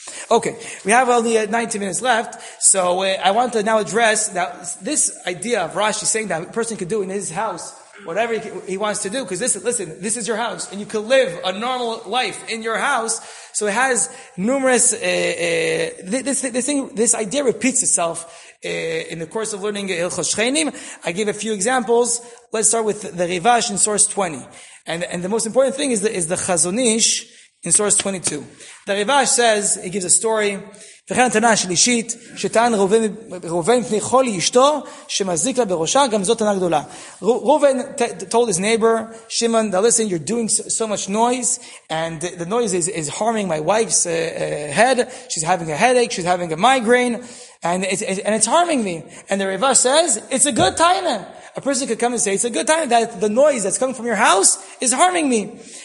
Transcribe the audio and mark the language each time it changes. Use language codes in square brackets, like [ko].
[en] Okay, we have only 19 minutes left, so I want to now address that this idea of Rashi saying that a person could do in his house whatever he wants to do, because this is your house, and you could live a normal life in your house, so it has numerous, this idea repeats itself in the course of learning Hilchos Shcheinim. I give a few examples. Let's start with the Rivash in source 20. And the most important thing is the Chazonish, in source 22. The Rivash says, he gives a story, [he] וכן תנה שלישית, שטען רובן פני חול אשתו, שמזיק לה בראשה, גם זאת תנה גדולה. [en] רובן told his neighbor, Shimon, now listen, you're doing so much noise, and the noise is harming my wife's head, she's having a headache, she's having a migraine, and it's harming me. And the Rivash says, it's a good time. A person could come and say, it's a good time that the noise that's coming from your house is harming me.